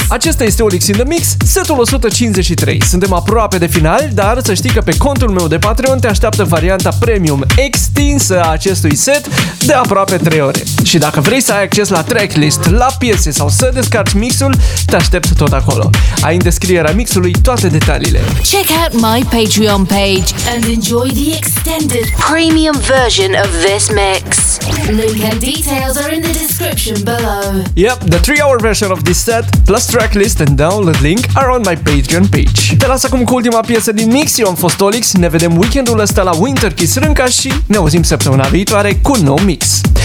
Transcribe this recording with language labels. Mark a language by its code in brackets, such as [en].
[ro] Asta este OLiX in the Mix, setul 153. Suntem aproape de final, dar să știi că pe contul meu de Patreon te așteaptă varianta premium extinsă a acestui set de aproape 3 ore. Și dacă vrei să ai acces la tracklist, la piese sau să descarci mixul, te aștept tot acolo. Ai în descrierea mixului toate detaliile. [en] Check out my Patreon page and enjoy the extended premium version of this mix. Link and details are in the description below. Yep, the 3-hour version of this set plus tracklist and download link are on my Patreon page. [ro] Te las acum cu ultima piesă din mix. Eu am fost OLiX, ne vedem weekendul ăsta la Winter Kiss Rânca și ne auzim săptămâna viitoare cu un nou mix.